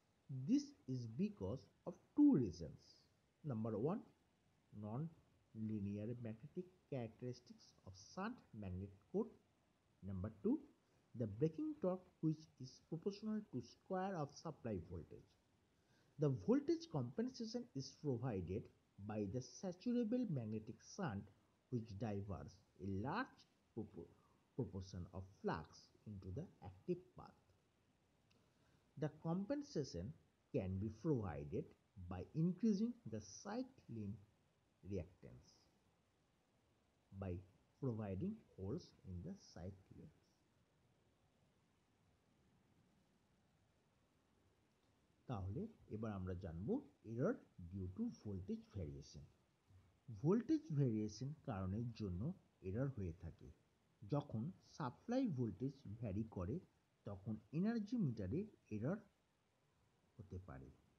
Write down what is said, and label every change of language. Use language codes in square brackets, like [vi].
[en] This is because of two reasons. Number one, non linear magnetic characteristics of shunt magnet core. Number two, the braking torque which is proportional to square of supply voltage. The voltage compensation is provided by the saturable magnetic shunt which diverts a large proportion of flux into the active path. The compensation can be provided by increasing the cycling reactance by providing holes in the cycling. [bn] তাহলে এবার আমরা জানব [en] Error due to voltage variation. [bn] Voltage variation কারণের জন্য error হয়ে থাকে। যখন supply voltage vary করে তখন এনার্জি মিটারে এরর হতে পারে।